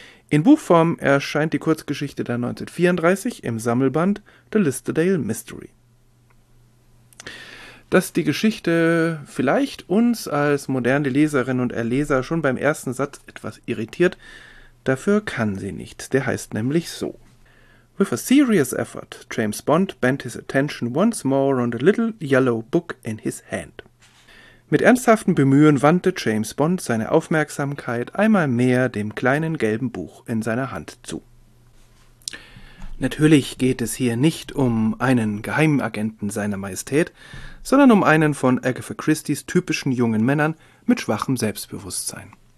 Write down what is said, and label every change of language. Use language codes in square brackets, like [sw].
[de] In Buchform erscheint die Kurzgeschichte dann 1934 im Sammelband The Listerdale Mystery. Dass die Geschichte vielleicht uns als moderne Leserinnen und Erleser schon beim ersten Satz etwas irritiert, dafür kann sie nicht. Der heißt nämlich so. [en] With a serious effort, James Bond bent his attention once more on the little yellow book in his hand. [de] Mit ernsthaftem Bemühen wandte James Bond seine Aufmerksamkeit einmal mehr dem kleinen gelben Buch in seiner Hand zu. Natürlich geht es hier nicht um einen Geheimagenten seiner Majestät, sondern um einen von Agatha Christies typischen jungen Männern mit schwachem Selbstbewusstsein.